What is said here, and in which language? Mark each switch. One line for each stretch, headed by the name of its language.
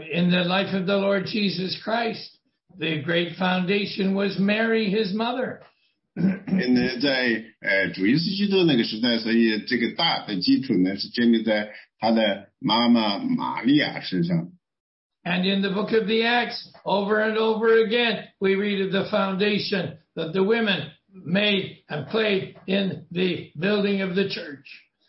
English: the life of the Lord Jesus Christ, the great foundation was Mary, his mother.
Chinese: 因为在主耶稣基督那个时代，所以这个大的基础呢是建立在他的妈妈玛利亚身上。
English: And in the book of the Acts, over and over again, we read of the foundation that the women made and played in the building of the church.